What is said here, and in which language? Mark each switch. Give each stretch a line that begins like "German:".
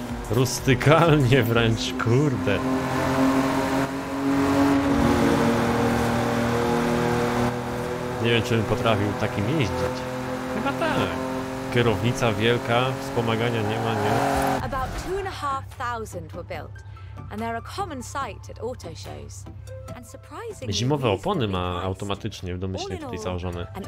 Polish: Rustykalnie wręcz, kurde. Nie wiem, czy bym potrafił takim jeździć. Chyba tak. Kierownica wielka, wspomagania nie ma, nie?
English: About 2,500 were built, and they're a common sight at auto shows. And surprisingly,
Polish: zimowe opony ma automatycznie w domyśle tutaj założone.